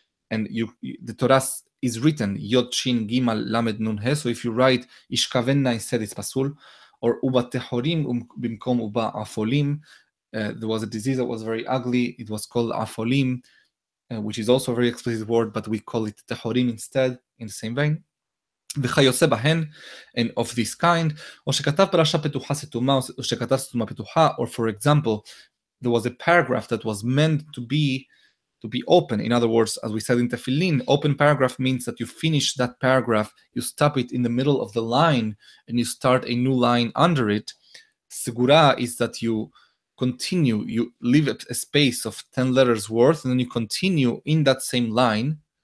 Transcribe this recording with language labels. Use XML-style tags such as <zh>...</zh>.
<en>And the Torah is written yod shin gimal lamed nun he. So if you write ishkavenna instead, it's pasul. Or</en> <he>uba tehorim bimkom uba afolim.</he> <en>There was a disease that was very ugly. It was called afolim, which is also a very explicit word, but we call it tehorim instead, in the same vein.</en> <he>וכיוצא בהן,</he> <en>and of this kind,</en> <he>או שכתב פרשה פתוחה סתומה, או שכתב סתומה פתוחה,</he> <en>or for example, there was a paragraph that was meant to be, to be open. In other words, as we said in Tefillin, open paragraph means that you finish that paragraph, you stop it in the middle of the line, and you start a new line under it. Segura is that you continue, you leave a space of 10 letters worth, and then you continue in that same line.</en>